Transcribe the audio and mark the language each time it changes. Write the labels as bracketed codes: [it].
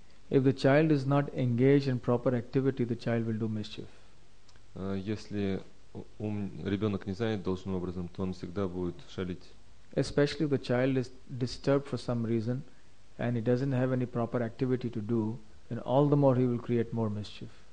[en] If the child is not engaged in proper activity, the child will do mischief. [ru] Если ум, ребенок не занят должным образом, то он всегда будет шалить. [en] Especially if the child is disturbed for some reason and he doesn't have any proper activity to do, then all the more he will create more mischief.